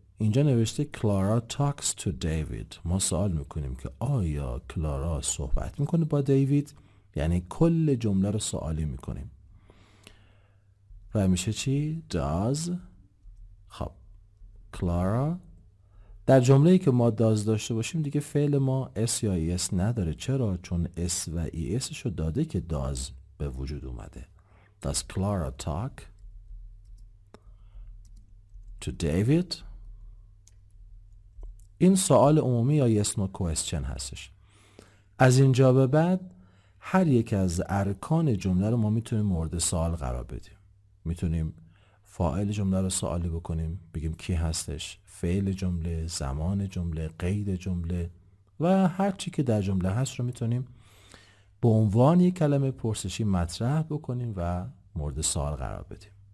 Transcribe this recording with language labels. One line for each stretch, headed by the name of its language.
Persian: اینجا نوشته کلارا talks to David. ما سوال میکنیم که آیا کلارا صحبت میکنه با دیوید؟ یعنی کل جمله رو سوالی میکنیم. و میشه چی؟ does. خب کلارا در جمله ای که ما داز داشته باشیم دیگه فعل ما اس یا ایس نداره. چرا؟ چون اس و ایسش رو داده که داز به وجود اومده.
English: Does Clara talk to David؟
Persian: این سوال عمومی یا
English: yes no question هستش.
Persian: از اینجا به بعد هر یک از ارکان جمله رو ما میتونیم مورد سوال قرار بدیم. میتونیم فاعل جمله رو سوالی بکنیم، بگیم کی هستش، فعل جمله، زمان جمله، قید جمله و هر چی که در جمله هست رو میتونیم به عنوان یک کلمه پرسشی مطرح بکنیم و مورد سوال قرار بدیم.